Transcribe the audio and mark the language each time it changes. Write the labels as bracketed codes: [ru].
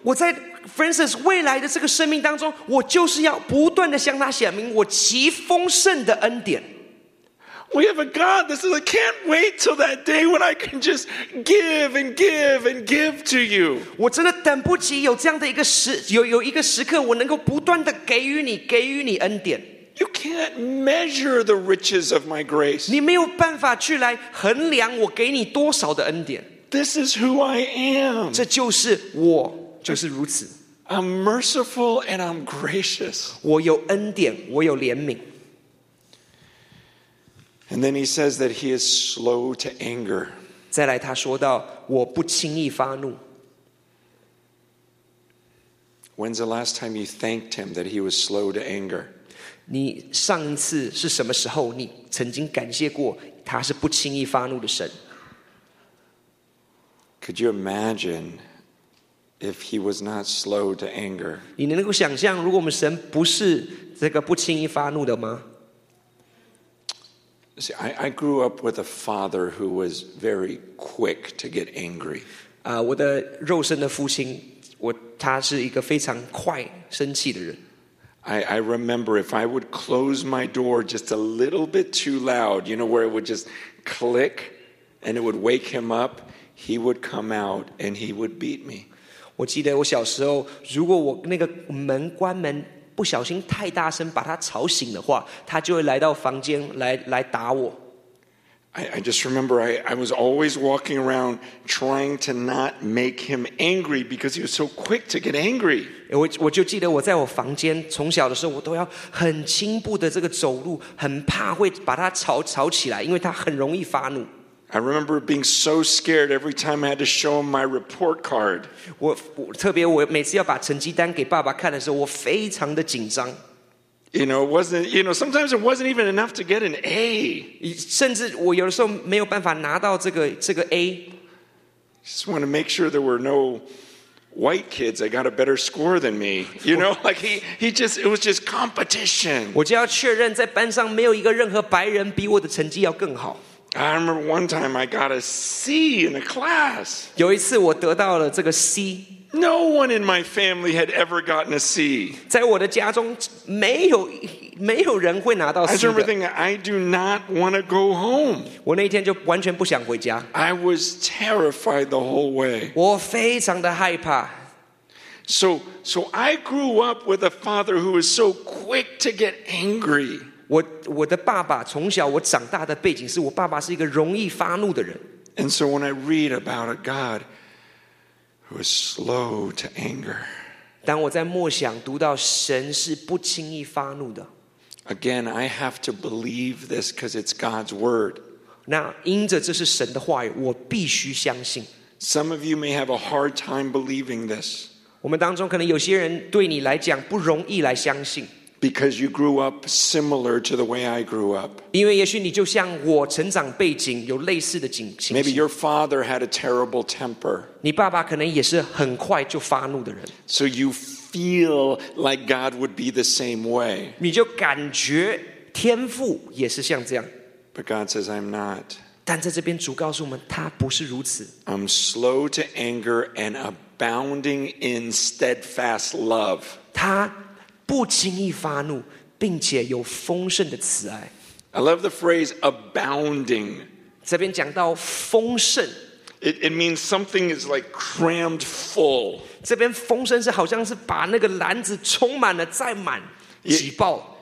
[zh] 我在 Francis 未来的这个生命当中，我就是要不断的向他显明我极丰盛的恩典。 [en] We have a God that says, I can't wait till that day when I can just give and give and give to you. [zh] 我真的等不及有这样的一个时刻，我能够不断的给予你恩典。 [en] You can't measure the riches of my grace. [zh] 你没有办法去来衡量我给你多少的恩典。 [en] This is who I am. [zh] 这就是我，就是如此。 [en] I'm merciful and I'm gracious. [zh] 我有恩典，我有怜悯。 [en] And then he says that he is slow to anger. [zh] 再来他说到，我不轻易发怒。 [en] When's the last time you thanked him that he was slow to anger? [zh] 你上一次是什么时候你曾经感谢过他是不轻易发怒的神？ [en] Could you imagine if he was not slow to anger? [zh] 你能够想象如果我们神不是这个不轻易发怒的吗？ [en] See, I grew up with a father who was very quick to get angry. [zh] 我的肉身的父亲，他是一个非常快生气的人。 [en] I remember if I would close my door just a little bit too loud, you know, where it would just click and it would wake him up, he would come out and he would beat me. [zh] 我记得我小时候，如果我那个门关门不小心太大声把他吵醒的话，他就会来到房间 来打我。 [en] I just remember I was always walking around trying to not make him angry because he was so quick to get angry. [zh] 我就记得我在我房间从小的时候我都要很轻步的这个走路，很怕会把他吵起来，因为他很容易发怒。 [en] I remember being so scared every time I had to show him my report card. [zh] 我特别我每次要把成绩单给爸爸看的时候，我非常的紧张。 [en] You know, it wasn't, you know, sometimes it wasn't even enough to get an A. [zh] 甚至我有的时候没有办法拿到这个 A. [en] Just want to make sure there were no white kids that got a better score than me. You know, like he just, it was just competition. [zh] 我就要确认在班上没有一个任何白人比我的成绩要更好。 [en] I remember one time I got a C in a class. [zh] 有一次我得到了这个 C。 [en] No one in my family had ever gotten a C. [zh] 在我的家中没有人会拿到 C 的。 [en] I remember thinking, I do not want to go home. [zh] 我那一天就完全不想回家。 [en] I was terrified the whole way. [zh] 我非常的害怕。 [en] So I grew up with a father who was so quick to get angry. [zh] 我的爸爸从小我长大的背景是我爸爸是一个容易发怒的人。 [en] And so when I read about a God,Who is slow to anger. [zh] 当我在默想读到神是不轻易发怒的。 [en] Again, I have to believe this because it's God's word. [zh] 那因着这是神的话语，我必须相信。 [en] Some of you may have a hard time believing this. [zh] 我们当中可能有些人对你来讲不容易来相信。 [en] Because you grew up similar to the way I grew up. [zh] 因为也许你就像我成长背景有类似的情形。 [en] Maybe your father had a terrible temper. [zh] 你爸爸可能也是很快就发怒的人。 [en] So you feel like God would be the same way. [zh] 你就感觉天父也是像这样。 [en] But God says, I'm not. [zh] 但在这边主告诉我们他不是如此。 [en] I'm slow to anger and abounding in steadfast love. [zh] 他不轻易发怒，并且有丰盛的慈爱。 [en] I love the phrase abounding. [zh] 这边讲到丰盛。 [en] It means something is like crammed full. [zh] 这边丰盛是好像是把那个篮子充满了再满，挤爆。